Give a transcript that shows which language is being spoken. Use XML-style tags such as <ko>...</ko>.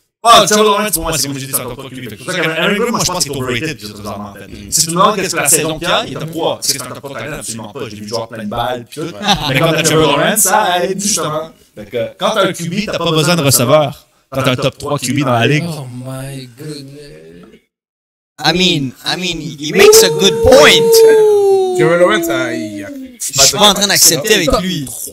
<fr>Ah, Trevor Lawrence, moi, c'est comme j'ai dit, c'est un top 3 QB. Moi, je pense qu'il est overrated, bizarrement, en fait. Si tu me demandes qu'est-ce que la saison qu'il y a, il est top 3. Est-ce que c'est un top 3 tight end? Absolument pas. J'ai vu joueur plein de balles, pis tout. Mais quand t'as Trevor Lawrence, ça aide, justement. Quand t'as un QB, t'as pas besoin de receveur. Quand t'as un top 3 QB dans la ligue.</fr> <en>Oh my goodness. I mean, he makes a good point.</en> <fr>Trevor Lawrence, ça aide. Je suis pas en train d'accepter avec lui.</fr>